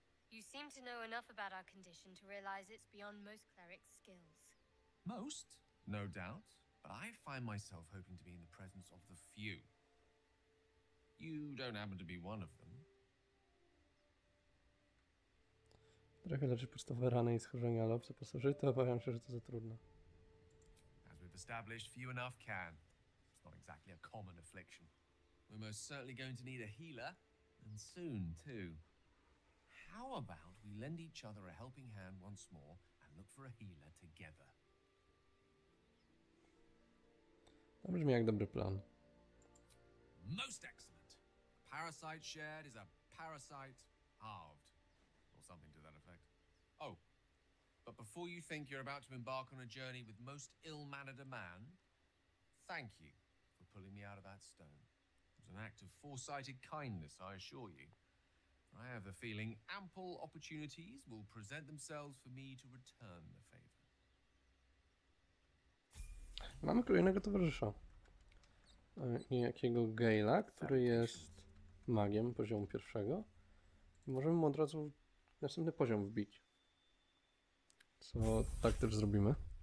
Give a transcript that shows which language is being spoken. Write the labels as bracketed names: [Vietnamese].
[English] You seem to know enough about our condition to realize it's beyond most clerics' skills. Most, no doubt. But I find myself hoping to be in the presence of the few. You don't happen to be one of them. [Polish] Trochę leczy podstawowe rany i schorzenia, ale obce pasożyty, obawiam się, że to za trudno. [English] As we've established, few enough can. It's not exactly a common affliction. We're most certainly going to need a healer, and soon, too. How about we lend each other a helping hand once more and look for a healer together? [Polish] To brzmi jak dobry plan. [English] Most excellent. A parasite shared is a parasite halved. Or something to that effect. Oh, but before you think you're about to embark on a journey with most ill-mannered a man, thank you for pulling me out of that stone. It was an act of foresighted kindness, I assure you. I have the feeling ample opportunities will present themselves for me to return the favor. [Polish] Mamy kolejnego towarzysza. Niejakiego Gale'a, który jest magiem poziomu pierwszego. Możemy mu od razu następny poziom wbić. Co tak też zrobimy.